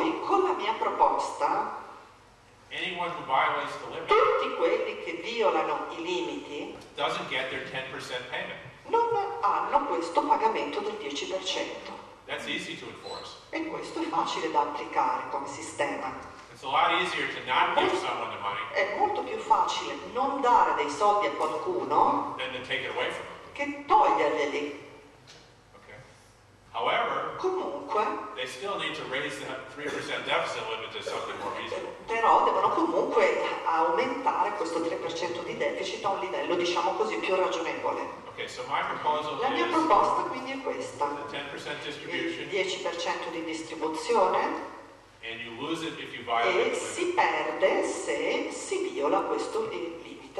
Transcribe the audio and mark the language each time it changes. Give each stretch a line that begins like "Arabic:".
Italian: cui con la mia proposta
English: anyone who violates the limit,
Italian: tutti quelli che violano i limiti
English: doesn't get their 10% payment.
Italian: Non hanno questo pagamento del 10%.
English: That's easy to enforce.
Italian: E questo è facile da applicare come sistema.
English: It's a lot easier to not give someone the money.
Italian: È molto più facile non dare dei soldi a qualcuno
English: than to take it away from them.
Italian: Che toglierli.
English: Okay. However,
Italian: comunque,
English: they still need to raise the 3% deficit limit to something more reasonable.
Italian: Però devono comunque aumentare questo 3% di deficit a un livello, diciamo così, più ragionevole.
English: Okay, so my proposal
Italian: la mia proposta quindi è questa.
English: The 10% distribution.
Italian: Il 10% di distribuzione.
English: And you lose it if you violate
Italian: e si perde se si viola questo limite.